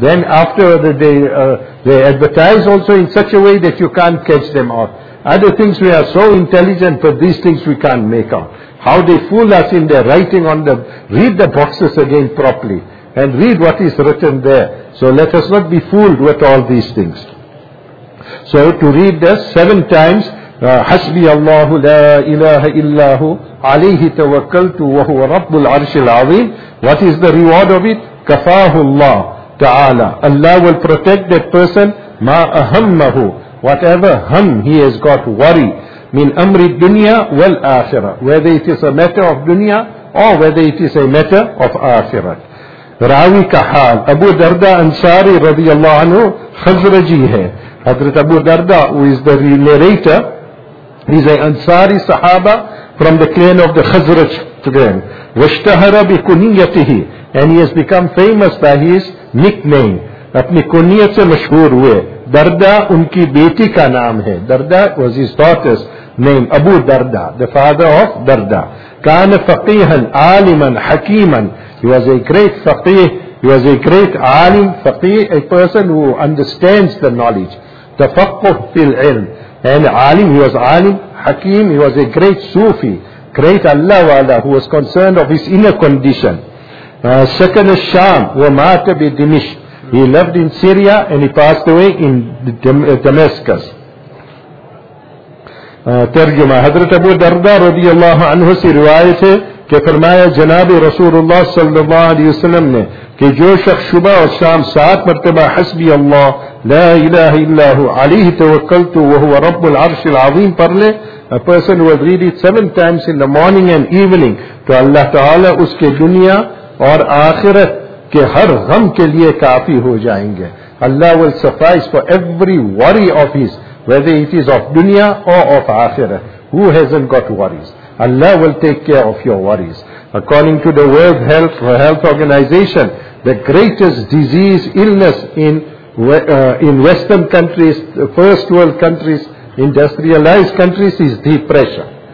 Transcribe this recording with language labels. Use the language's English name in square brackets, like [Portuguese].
[English] Then after the day, they advertise also in such a way that you can't catch them out. Other things we are so intelligent, but these things we can't make out. How they fool us in their writing on the, read the boxes again properly. And read what is written there. So let us not be fooled with all these things. So to read this 7 times, [Arabic] حسبي الله لا إله إلا هو عليه توكلت وهو رب العرش العظيم. [English] What is the reward of it? [Arabic] كفاه الله تعالى. [English] Allah will protect that person. [Arabic] ما أهمه. [English] Whatever hum he has got worry. [Arabic] من أمر الدنيا والآخرة. [English] Whether it is a matter of dunya or whether it is a matter of آخرة. [Urdu] راوي كحال أبو دردا أنصاري رضي الله عنه خزرجي ہے. [English] حضرت أبو دردا, who is the narrator, he is an Ansari Sahaba from the clan of the Khazraj clan. [Arabic] وَاشْتَهَرَ بِكُنِيَتِهِ, [English] and he has become famous by his nickname. [Urdu] اپنی کنیت سے مشہور ہوئے. Darda, ان کی بیٹی کا نام ہے. [English] Darda was his daughter's name. Abu Darda, the father of Darda. [Arabic] كَانَ فَقِيهًا عَالِمًا حَكِيمًا. [English] He was a great faqih. He was a great alim. Faqih, a person who understands the knowledge. [Arabic] تَفَقُّهُ فِي الْعِلْمِ. [English] And alim, he was alim, hakim, he was a great Sufi, great Allah wala, who was concerned of his inner condition. Second is Sham, wa mata bi Dimish. He lived in Syria and he passed away in Damascus. [Urdu] Tarjuma, Hazrat Abu Darda radiyallahu anhu si riwayat hai, کہ فرمایا جناب رسول اللہ صلی اللہ علیہ وسلم نے کہ جو شخص صبح اور شام سات مرتبہ حسبی اللہ لا الہ الا ہو علیہ توکلت وہو رب العرش العظیم پر لے, [English] a person who has read it 7 times in the morning and evening, [Urdu] تو اللہ تعالیٰ اس کے دنیا اور آخرت کے ہر غم کے لیے کافی ہو جائیں گے. [English] اللہ will suffice for every worry of his, whether it is of dunya or of akhirah. Who hasn't got worries? Allah will take care of your worries. According to the World Health Organization, the greatest disease illness in Western countries, first world countries, industrialized countries, is depression.